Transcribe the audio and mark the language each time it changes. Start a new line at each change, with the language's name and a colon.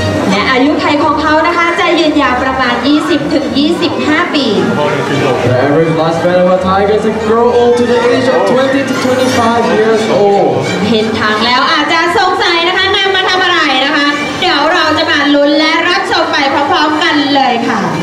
Thai: และอายุไขของเขานะคะจะยืนยาวประมาณ 20-25 ปี
English: The average lifespan of a tiger is to grow old to the age of 20-25 years old
Thai: เห็นทางแล้วอาจจะสงสัยนะคะนำมาทำอะไรนะคะเดี๋ยวเราจะมาลุ้นและรับชมไปพร้อมๆกันเลยค่ะ